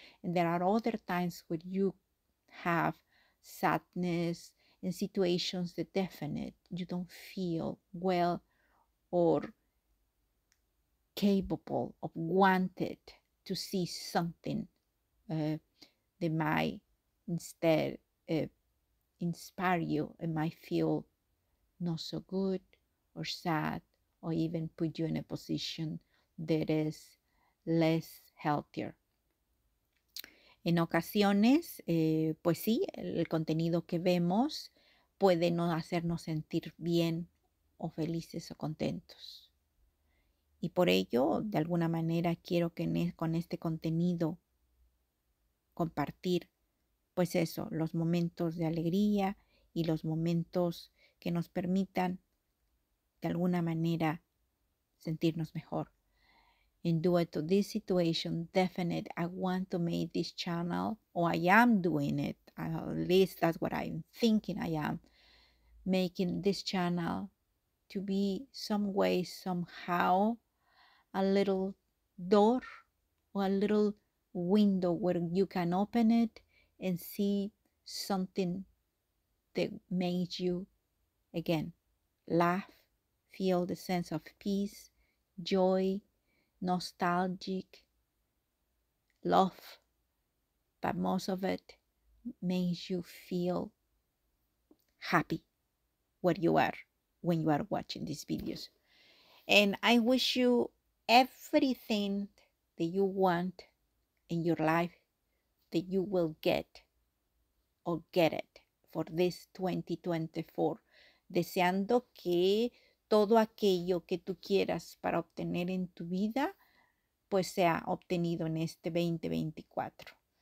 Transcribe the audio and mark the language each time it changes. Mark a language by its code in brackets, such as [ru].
[en] And there are other times where you have sadness and situations that definitely you don't feel well or capable of wanted to see something that might instead inspire you and might feel not so good or sad or even put you in a position that is less healthier. [es] En ocasiones, pues sí, el contenido que vemos puede no hacernos sentir bien o felices o contentos. Y por ello, de alguna manera, quiero que con este contenido compartir pues eso, los momentos de alegría y los momentos que nos permitan de alguna manera sentirnos mejor. [en] In due to this situation, definitely I want to make this channel, or I am doing it, at least that's what I'm thinking I am, making this channel to be some way, somehow, a little door or a little window where you can open it and see something that makes you, again, laugh, feel the sense of peace, joy, nostalgic, love, but most of it makes you feel happy where you are when you are watching these videos. And I wish you everything that you want in your life, that you will get or get it for this 2024. [es] Deseando que todo aquello que tú quieras para obtener en tu vida, pues sea obtenido en este 2024.